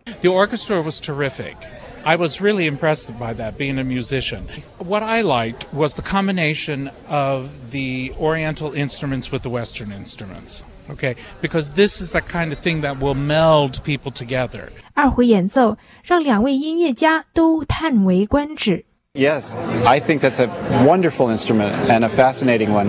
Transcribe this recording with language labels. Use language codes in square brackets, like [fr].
[en] The orchestra was terrific. I was really impressed by that, being a musician. What I liked was the combination of the Oriental instruments with the Western instruments. Okay, because this is the kind of thing that will meld people together. [zh] 二胡演奏让两位音乐家都叹为观止。 [en] Yes, I think that's a wonderful instrument and a fascinating one.